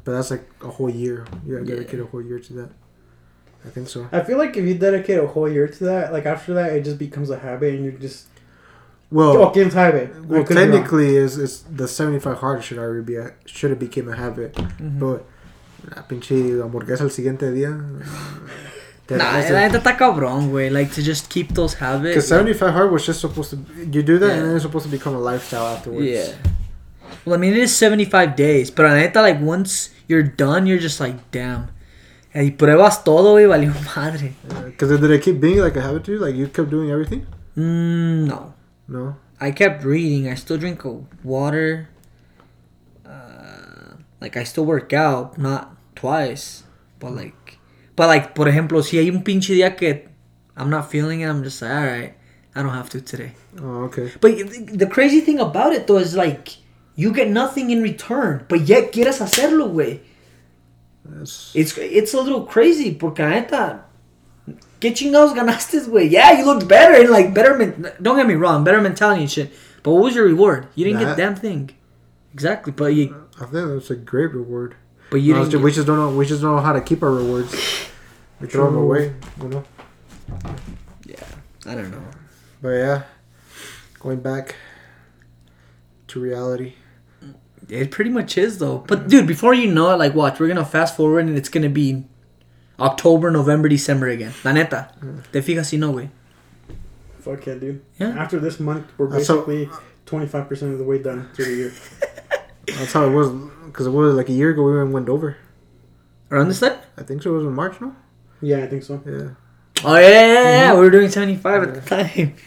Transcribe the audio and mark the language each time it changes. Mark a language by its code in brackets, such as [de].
[en] But that's, like, a whole year. You gotta dedicate a whole year to that. I think so. I feel like if you dedicate a whole year to that, like, after that, it just becomes a habit and you just... Well... Fucking habit. Well, technically, is the 75 hard should already be a... Should have became a habit. Mm-hmm. But... [es] La pinche hamburguesa el siguiente día... [en] Nah, that's like a wrong way, like to just keep those habits. Because 75 hard was just supposed to, you do that and then it's supposed to become a lifestyle afterwards. Yeah. Well, I mean, it is 75 days, but I thought like once you're done, you're just like, damn. [es] Y pruebas todo y valió madre. [en] Because did it keep being like a habit to you? Like you kept doing everything? No. No? I kept reading. I still drink water. Like I still work out, not twice, but like. But, like, [es] por ejemplo, si hay un pinche día que [en] I'm not feeling it, I'm just like, all right, I don't have to today. Oh, okay. But the crazy thing about it, though, is, like, you get nothing in return, but yet [es] quieres hacerlo, güey. [en] It's a little crazy, [es] porque, la neta, ¿qué chingados ganaste, güey? [en] Yeah, you looked better, and, like, better, don't get me wrong, better mentality and shit. But what was your reward? You didn't get a damn thing. Exactly, but you... I think that's a great reward. But you didn't we just don't know how to keep our rewards. We throw them away, you know. Yeah, I don't know. But yeah, going back to reality. It pretty much is though. But dude, before you know it, like watch, we're gonna fast forward and it's gonna be October, November, December again. [es] La neta, te fijas y no güey. [en] Fuck yeah, dude. Yeah. After this month, we're basically 25% of the way done through the year. That's how it was, because it was like a year ago we even went over. Around this time? I think so. It was in March, no? Yeah, I think so. Yeah. Oh, yeah. Mm-hmm. We were doing 75 at the time.